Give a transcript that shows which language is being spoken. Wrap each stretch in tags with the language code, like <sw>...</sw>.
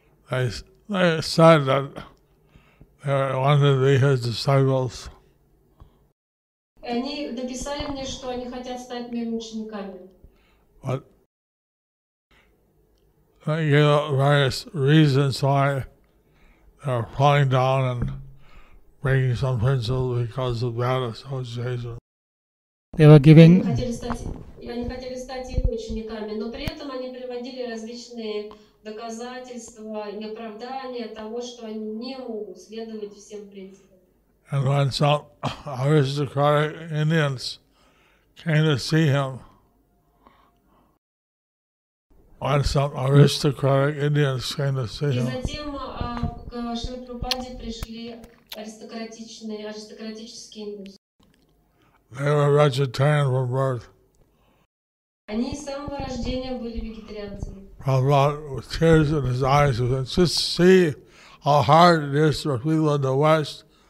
<en>They said that they wanted to be his disciples.</en> <ru>Они написали мне, что они хотят стать моими учениками.</ru> <en>But they gave various reasons why they're falling down and breaking some principles because of bad association. They were giving.</en> <ru>Они хотели стать их учениками, но при этом они приводили различные доказательства и оправдания того, что они не могут следовать всем принципам.</ru> <en>And when some aristocratic Indians came to see him, they were vegetarian from birth.</en> <ru>Они с самого рождения были вегетарианцами.</ru> <en>Prabhupada, with tears in his eyes, he said, "Just see how hard it is for people in the West.</en>